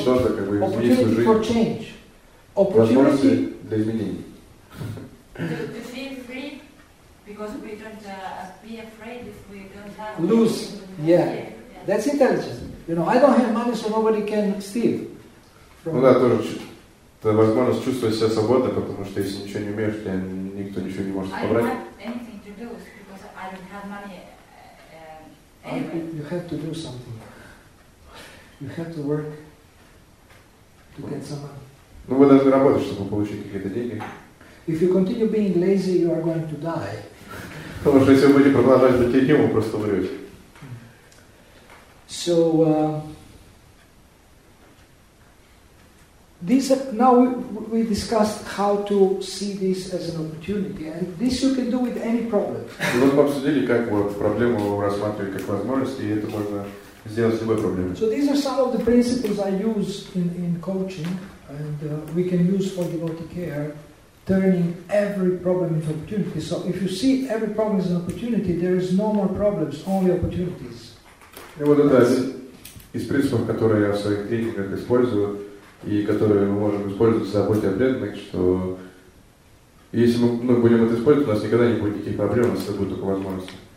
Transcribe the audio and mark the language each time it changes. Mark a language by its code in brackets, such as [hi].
[en] opportunity for change. Opportunity. [ru] Для изменений. [en] To feel free, because we don't be afraid if we don't have. Lose. Yeah. That's intelligent. You know, I don't have money, so nobody can steal. [ru] Ну да, тоже это возможность чувствовать себя свободно, потому что если ничего не умеешь, то никто ничего не может собрать. [en] I don't have anything to do because I don't have money. You have to do something. You have to work to get some money. [ru] Ну вы должны работать, чтобы получить какие-то деньги. [en] If you continue being lazy, you are going to die. [ru] Потому что если вы будете продолжать быть ленивым, вы просто умрете. [en] So. These are, now we discussed how to see this as an opportunity, and this you can do with any problem. [ru] Вот мы обсудили, как вот проблему рассматривать как возможность, и это можно сделать с любой проблемой. [en] So these are some of the principles I use in coaching, and we can use for devotee care, turning every problem into opportunity. So if you see every problem as an opportunity, there is no more problems, only opportunities. [ru] И вот это из принципов, которые я в своих тренингах использую. И которые мы можем использовать в заботе о преданных, что если мы будем это использовать, у нас никогда не будет никаких проблем, у нас будет только возможность.